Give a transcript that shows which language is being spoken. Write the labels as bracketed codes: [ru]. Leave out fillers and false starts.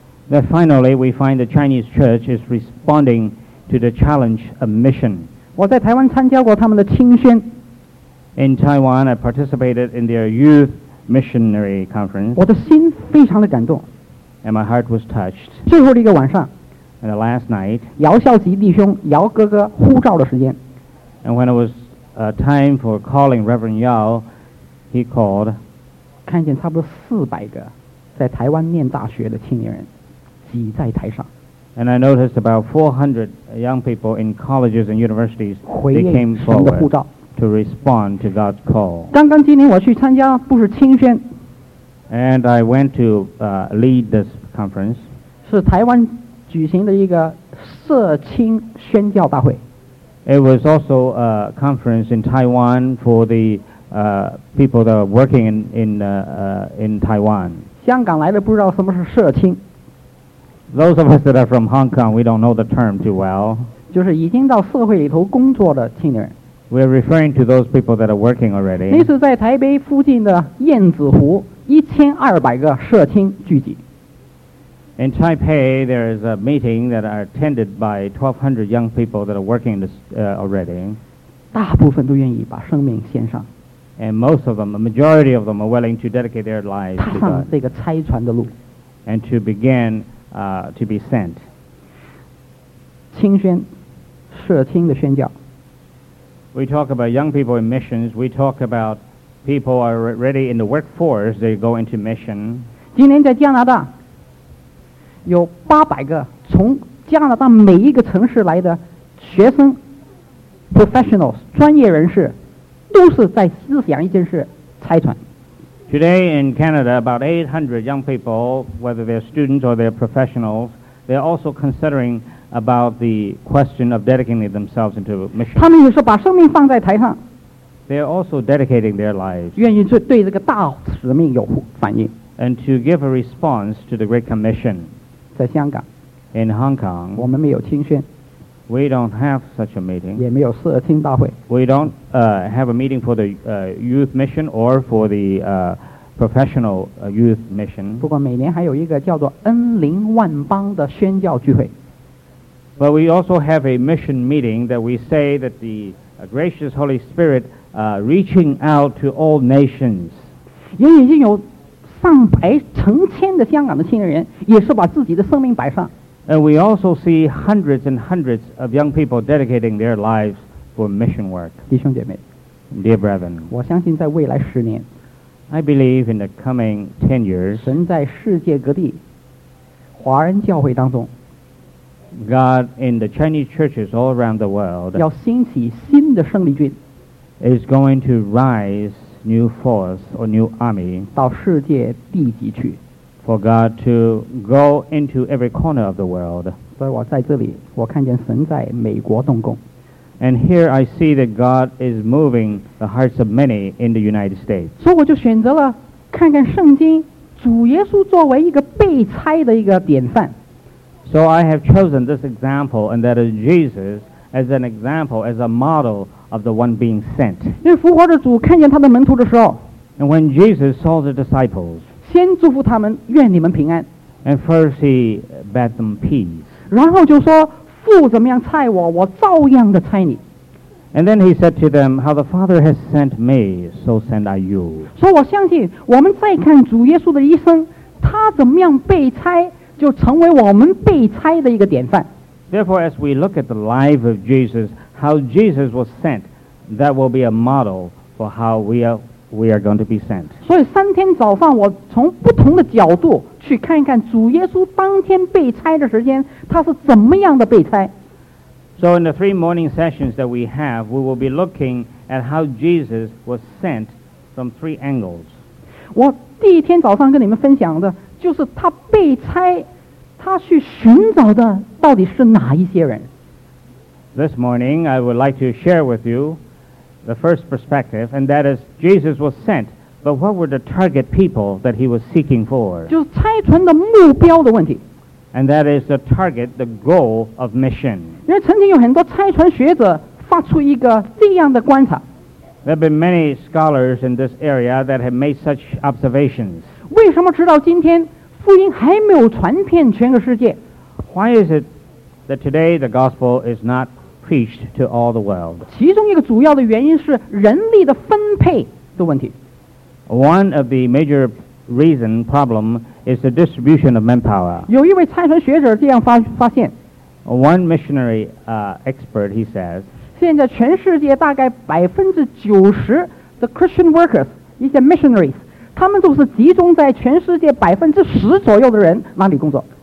[en] That finally we find the Chinese church is responding to the challenge of mission. [zh] 我在台湾参加过他们的青宣。 [en] In Taiwan, I participated in their youth missionary conference. [zh] 我的心非常的感动。 [en] And my heart was touched. [zh] 最后的一个晚上。 [en] And the last night. [zh] 姚孝吉弟兄、姚哥哥呼召的时间。 [en] And when it was time for calling Reverend Yao, he called. [zh] 看见差不多400个在台湾念大学的青年人挤在台上。 [en] And I noticed about 400 young people in colleges and universities. They came forward to respond to God's call. [zh] 刚刚今天我去参加不是青宣。 [en] And I went to lead this conference. [zh] 是台湾举行的一个社青宣教大会。 [en] It was also a conference in Taiwan for the people that are working in Taiwan. [zh] 香港来的不知道什么是社青。 [en] Those of us that are from Hong Kong, we don't know the term too well. [zh] 就是已经到社会里头工作的青年人。 [en] We are referring to those people that are working already. [zh] 那是在台北附近的燕子湖，1200个社青聚集。 [en] In Taipei, there is a meeting that are attended by 1,200 young people that are working in this, already. [zh] 大部分都愿意把生命献上。 [en] And most of them, the majority of them, are willing to dedicate their lives to God. [zh] 踏上这个差传的路。 [en] And to begin, to be sent. [zh] 青宣，社青的宣教。 [en] We talk about young people in missions. We talk about people are already in the workforce. They go into mission. [zh] 今年在加拿大。有800个从加拿大每一个城市来的学生 professionals 专业人士都是在思想一件事拆传。 [en] Today in Canada about 800 young people whether they're students or they're professionals they're also considering about the question of dedicating themselves into mission. [zh] 他们也是把生命放在台上。 [en] They're also dedicating their lives. [zh] 愿意对这个大使命有反应。 [en] And to give a response to the Great Commission. [zh] 在香港 [en] in Hong Kong, [zh] 我们没有青宣 [en] we don't have such a meeting, [zh] 也没有社青大会 [en] we don't have a meeting for the youth mission or for the professional youth mission. [zh] 不过每年还有一个叫做 N0 万邦的宣教聚会 [en] but we also have a mission meeting that we say that the gracious Holy Spirit reaching out to all nations. [zh] 也已经有上百成千的香港的青年人也是把自己的生命摆上。 [en] And we also see hundreds and hundreds of young people dedicating their lives for mission work. [zh] 弟兄姐妹 [en] Dear brethren, [zh] 我相信在未来10年 [en] I believe in the coming 10 years, [zh] 神在世界各地华人教会当中 [en] God in the Chinese churches all around the world [zh] 要兴起新的胜利军 [en] is going to rise new force or new army [zh] 到世界地极去 [en] for God to go into every corner of the world [zh] 所以我在这里我看见神在美国动工 [en] And here I see that God is moving the hearts of many in the United States. [zh] 所以我就选择了看看圣经，主耶稣作为一个被差的一个典范。 [en] So I have chosen this example, and that is Jesus as an example, as a model of the one being sent. [zh] 因为复活的主看见他的门徒的时候 [en] ，And when Jesus saw the disciples, [zh] 先祝福他们，愿你们平安。 [en] And first he bade them peace. [zh] 然后就说。父怎么样差我，我照样的差你。 [en] And then he said to them, "How the Father has sent me, so send I you." [zh] 所以我相信，我们再看主耶稣的一生，他怎么样被差，就成为我们被差的一个典范。 [en] Therefore, as we look at the life of Jesus, how Jesus was sent, that will be a model for how we are going to be sent. [zh] 所以三天早上，我从不同的角度。去看一看主耶稣当天被差的时间他是怎么样的被差 [en] So in the three morning sessions that we have we will be looking at how Jesus was sent from three angles [zh] 我第一天早上跟你们分享的就是他被差他去寻找的到底是哪一些人 [en] This morning I would like to share with you the first perspective and that is Jesus was sentBut what were the target people that he was seeking for? [zh] 就是差传的目标的问题。 [en] And that is the target, the goal of mission. [zh] 因为曾经有很多差传学者发出一个这样的观察。 [en] There have been many scholars in this area that have made such observations. [zh] 为什么直到今天福音还没有传遍全个世界？ [en] Why is it that today the gospel is not preached to all the world? [zh] 其中一个主要的原因是人力的分配的问题。 [en] One of the major reason problem is the distribution of manpower. [zh] 有一位差传学者这样发现。 [en] One missionary expert, he says. [zh] 现在全世界大概90%的 [en] Christian workers, [zh] 一些 [en] missionaries, [zh] 他们都是集中在全世界10%左右的人那里工作。